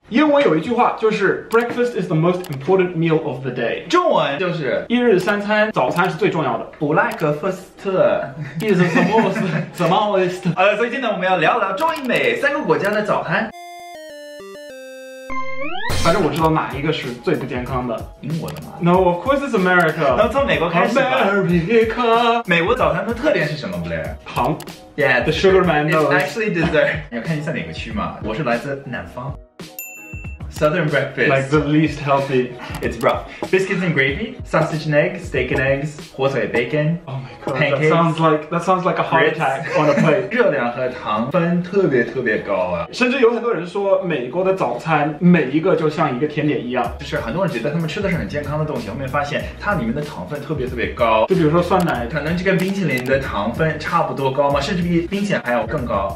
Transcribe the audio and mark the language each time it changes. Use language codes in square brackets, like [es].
[zh] 英文有一句话就是 [en] breakfast is the most important meal of the day， [zh] 中文就是一日三餐，早餐是最重要的。 [en] breakfast is the most the most。 [zh] 所以今天我们要聊聊中英美三个国家的早餐。反正我知道哪一个是最不健康的。英国的吗？ [en] No, of course it's America。 [zh] 那从美国开始吧。 [en] America。 [zh] 美国早餐的特点是什么 Blair？糖。 [en] Yeah, the sugar man knows. It's actually dessert。 [zh] 你要看你在哪个区嘛。我是来自南方。 [en] Southern breakfast. Like the least healthy. It's rough. Biscuits and gravy, sausage and eggs, steak and eggs, 火腿 bacon. Oh my god. Pancakes. That sounds like a heart attack on a plate. [zh] 热量和糖分特别特别高啊。甚至有很多人说美国的早餐每一个就像一个甜点一样。就是很多人觉得他们吃的是很健康的东西，后面发现它里面的糖分特别特别高。就比如说酸奶，可能就跟冰淇淋的糖分差不多高嘛，甚至比冰淇淋还要更高。